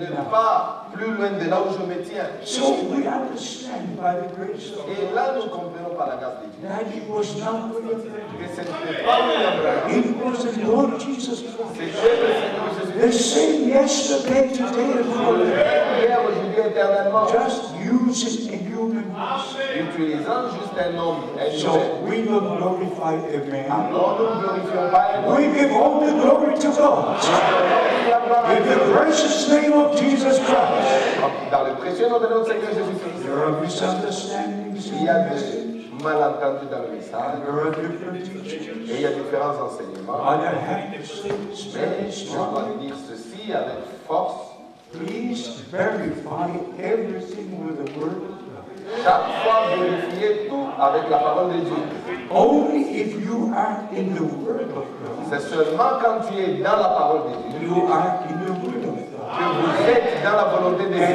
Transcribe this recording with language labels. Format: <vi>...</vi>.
<fr>Elle n'est pas plus loin de là où je me tiens.</fr> <en>So we understand by the grace of God.</en> <fr>Et là nous comprenons par la grâce de Dieu.</fr> <en>That it was not William.</en> <fr>Que ce n'était pas William.</fr> <en>It was the Lord Jesus Christ.</en> <fr>C'est le Seigneur Jésus.</fr> <en>The same yesterday, today, and forever. Just using a human.</en> <fr>Utilisant juste un homme.</fr> <en>So we will glorify a man.</en> <fr>Alors nous glorifions pas un homme.</fr> <en>We give all the glory to God. In the precious name of Jesus Christ.</en> <fr>Dans le précieux nom de notre Seigneur Jésus-Christ.</fr> <en>There are misunderstandings.</en> <fr>Il y a des malentendus dans le message.</fr> <en>There are different teachings.</en> <fr>Et il y a différents enseignements.</fr> <en>And I have to say,</en> <fr>mais je dois dire ceci avec force.</fr> <en>Please verify everything with the word of God.</en> <fr>Chaque fois, vérifiez tout avec la parole de Dieu.</fr> <en>Only if you are in the word of God.</en> <fr>C'est seulement quand tu es dans la parole de Dieu.</fr> <en>You are in the word of God.</en> <fr>Que vous êtes dans la volonté de Dieu.</fr>